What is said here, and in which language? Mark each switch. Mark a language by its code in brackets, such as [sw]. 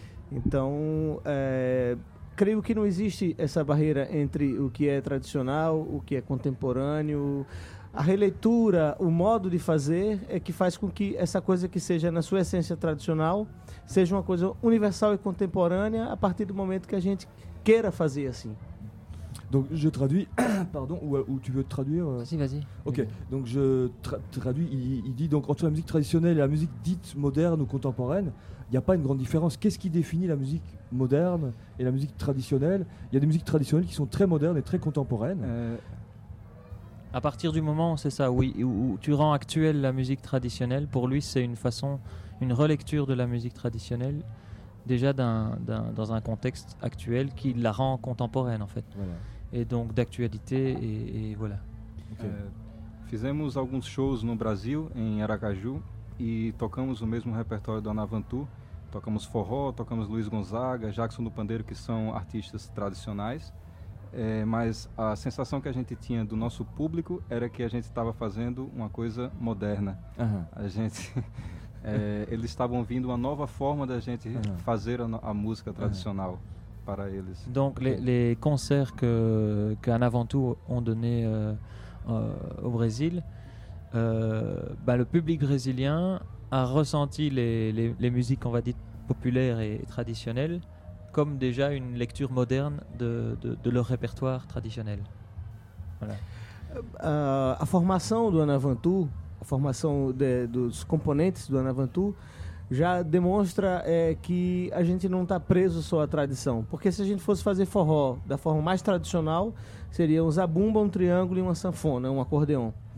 [pt] Então, creio que não existe essa barreira entre o que é tradicional, o que é contemporâneo. A releitura, o modo de fazer, é que faz com que essa coisa que seja na sua essência tradicional seja uma coisa universal e contemporânea a partir do momento que a gente... queira fazer assim. [fr] Donc je traduis, pardon, ou tu veux traduire? Vas-y. Ok, donc je traduis, il dit donc entre la musique traditionnelle et la musique dite moderne ou contemporaine, il n'y a pas une grande différence. Qu'est-ce qui définit la musique moderne et la musique traditionnelle? Il y a des musiques traditionnelles qui sont très modernes et très contemporaines. À partir du moment, c'est ça, oui, où tu rends actuelle la musique traditionnelle, pour lui c'est une façon, une relecture de la musique traditionnelle. Déjà dans un contexte actuel qui la rend contemporaine en fait, voilà. Et donc d'actualité et voilà. Okay. [pt] Fizemos alguns shows no Brasil, em Aracaju, e tocamos o mesmo repertório da Navantu. Tocamos forró, tocamos Luiz Gonzaga, Jackson do Pandeiro, que são artistas tradicionais. Mas a sensação que a gente tinha do nosso público era que a gente estava fazendo uma coisa moderna. A gente eles estavam vindo uma nova forma da gente fazer a música tradicional para eles. [fr] Donc les concerts que en avant tout ont donné au Brésil, le public brésilien a ressenti les musiques on va dire populaires et traditionnelles comme déjà une lecture moderne de leur répertoire traditionnel. Voilà. [pt] A formação do en avant tout, a formação dos componentes do Anavantu, já demonstra que a gente não está preso só à tradição. Porque se a gente fosse fazer forró da forma mais tradicional, seria um zabumba, um triângulo e uma sanfona, um acordeon.